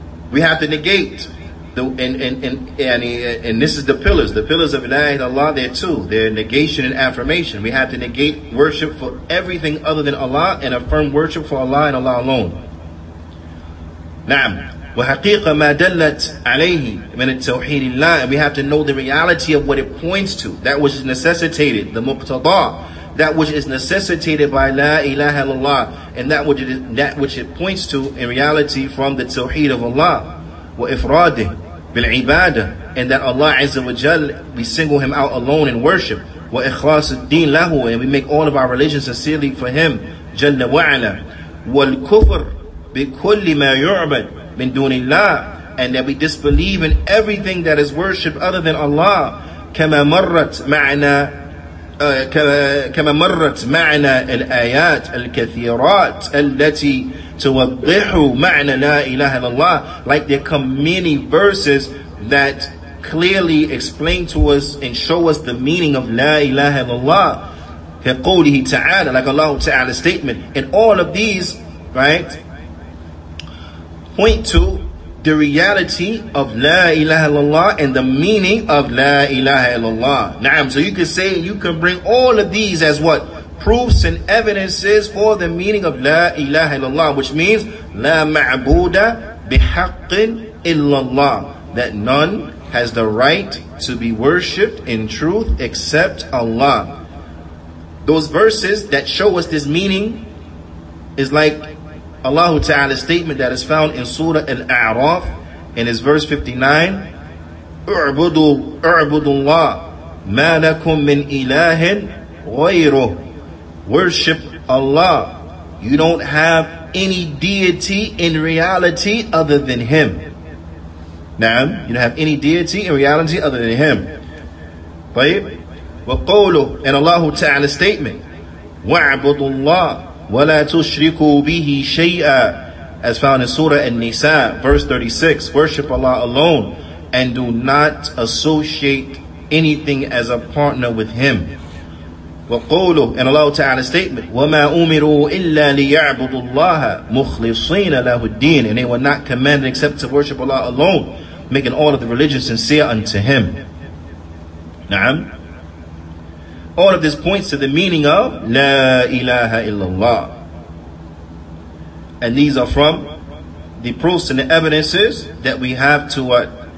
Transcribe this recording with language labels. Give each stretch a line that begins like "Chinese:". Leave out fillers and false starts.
English: We have to negate and this is the pillars. The pillars of La ilaha illallah, they're two. They're negation and affirmation. We have to negate worship for everything other than Allah and affirm worship for Allah and Allah alone. Naam.
Arabic: وحقيقة ما دلت عليه من التوحيد الله.
English: And we have to know the reality of what it points to. That which is necessitated. The muqtada. That which is necessitated by La ilaha illallah. And that which it points to in reality from the tawheed of Allah.
Arabic: وإفراده بالعبادة.
English: And that Allah Azza wa Jal, we single Him out alone in worship.
Arabic: وإخلاص الدين له.
English: And we make all of our religions sincerely for Him.
Arabic: جل وعلا. والكفر بكل ما يعبد من دون الله.
English: And that we disbelieve in everything that is worshipped other than Allah.
Arabic: كما مرت معنا كما مرت معنا الآيات الكثيرات التي توضح معنى لا إله إلا الله.
English: Like there come many verses that clearly explain to us and show us the meaning of
Arabic: لا إله إلا الله. كقوله تعالى,
English: like Allah Ta'ala's statement. And all of these, right, point to the reality of La ilaha illallah and the meaning of La ilaha illallah. Naam. So you can say, you can bring all of these as what? Proofs and evidences for the meaning of La ilaha illallah, which means La ma'buda bihaqqin illallah. That none has the right to be worshipped in truth except Allah. Those verses that show us this meaning is like Allah Ta'ala's statement that is found in Surah Al-A'raf, and is verse 59.
Arabic: اعبدوا الله ما لكم من إله غيره.
English: Worship Allah. You don't have any deity in reality other than Him. Naam, you don't have any deity in reality other than Him.
Arabic: طيب. وقوله,
English: and Allah Ta'ala's statement.
Arabic: واعبدوا الله ولا تشركوا به شيئا,
English: as found in Surah An-Nisa, verse 36. Worship Allah alone and do not associate anything as a partner with Him.
Arabic: وقوله,
English: and Allah Ta'ala's statement,
Arabic: وما أمروا إلا ليعبدوا الله مخلصين له الدين.
English: And they were not commanded except to worship Allah alone, making all of the religions sincere unto Him.
Arabic: نعم.
English: All of this points to the meaning of La ilaha illallah. And these are from the proofs and the evidences that we have to what?